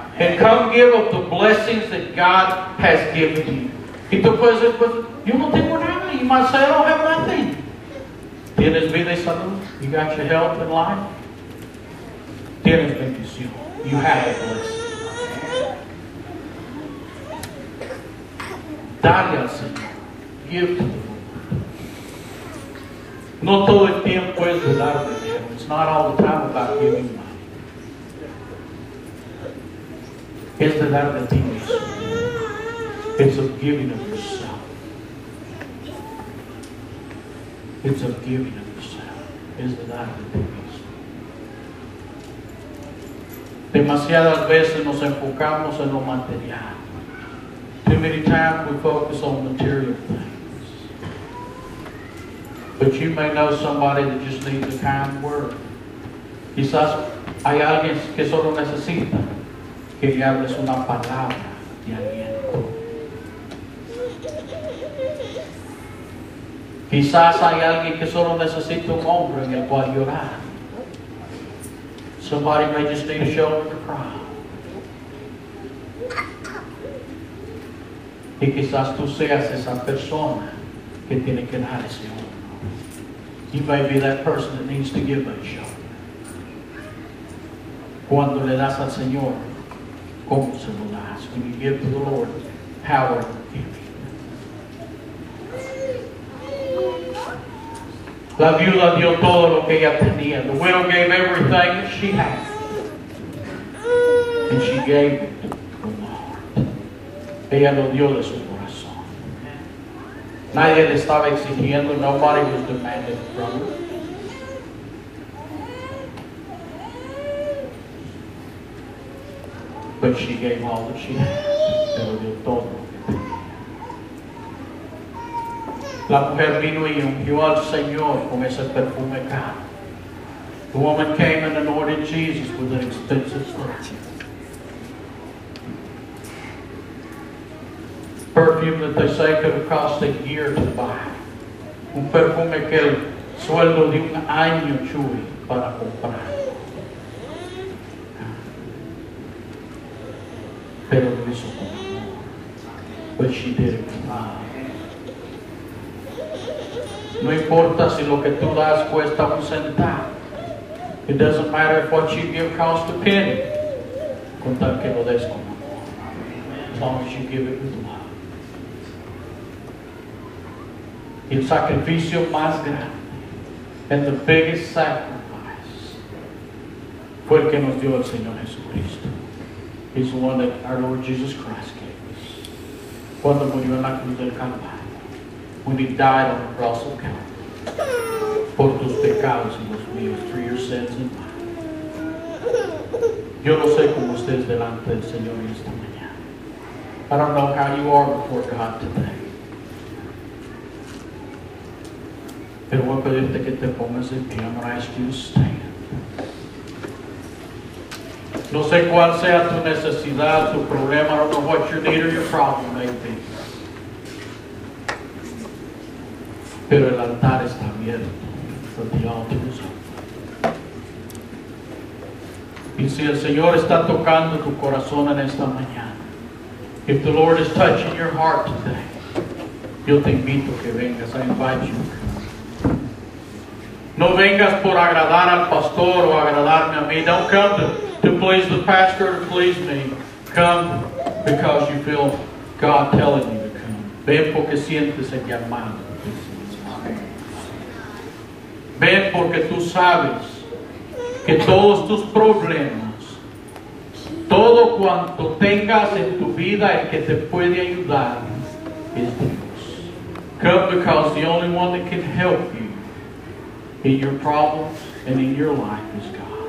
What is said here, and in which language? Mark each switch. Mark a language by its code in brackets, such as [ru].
[en] And come give of the blessings that God has given you. [es] Y tú puedes decir, pues, yo no tengo nada. [en] You might say, I don't have nothing. [es] Tienes vida y salud. [en] You got your health and life. [es] Tienes bendición. [en] You have a blessing. [es] Dale al Señor. [en] Give to the Lord. [es] No todo el tiempo es de dar dinero. [en] It's not all the time about giving money. [es] Es de dar de ti mismo. [en] It's of giving of yourself. It's of giving of yourself. [es] Es de dar de ti mismo. Demasiadas veces nos enfocamos en lo material. [en] Too many times we focus on material things. But you may know somebody that just needs a kind word. [es] Quizás hay alguien que solo necesita que le hables una palabra de aliento. Quizás hay alguien que solo necesita un hombre en el cual llorar. [en] Somebody may just need a shoulder to cry. [es] Y quizás tú seas esa persona que tiene que dar ese hombre. [en] You may be that person that needs to give a shoulder. [es] Cuando le das al Señor, como se lo das, [en] when you give to the Lord power of giving. [es] La viuda dio todo lo que ella tenía. [en] The widow gave everything that she had. And she gave it to the Lord. [es] Ella lo dio de su corazón. Nadie le estaba exigiendo. [en] Nobody was demanding from her. But she gave all that she had. [es] Ella dio todo. La mujer vino y ungió al Señor con ese perfume caro. [en] The woman came and anointed Jesus with an expensive perfume. Perfume that they say could have cost a year to buy. [es] Un perfume que el sueldo de un año chuy para comprar. Pero lo hizo con amor. [en] But she did it with love. [es] No importa si lo que tú das cuesta un centavo. [en] It doesn't matter if what you give costs a penny. [es] Con tal que lo des con amor. [en] As long as you give it with love. [es] El sacrificio más grande. [en] And the biggest sacrifice. [es] Fue el que nos dio el Señor Jesucristo. [en] It's the one that our Lord Jesus Christ gave us. [es] Cuando murió en la cruz del Calvario. [en] When he died on the cross of Calvary. [es] Por tus pecados y los míos. [en] For your sins and mine. [es] Yo no sé cómo estés delante del Señor esta mañana. [en] I don't know how you are before God today. [es] Pero voy a pedirte que te pongas en pie. [en] I'm going to ask you to stand. [es] No sé cuál sea tu necesidad, tu problema. [en] I don't know what your need or your problem may be. [es] Pero el altar está abierto. [en] The altar is open. [es] Y si el Señor está tocando tu corazón en esta mañana, [en] if the Lord is touching your heart today, [es] yo te invito que vengas. [en] I invite you. [es] No vengas por agradar al pastor o agradarme a mí. [en] Don't come to please the pastor or to please me. Come because you feel God telling you to come. [es] Ven porque sientes el llamado. Ven porque tú sabes que todos tus problemas, todo cuanto tengas en tu vida el que te puede ayudar es Dios. [en] Come because the only one that can help you in your problems and in your life is God.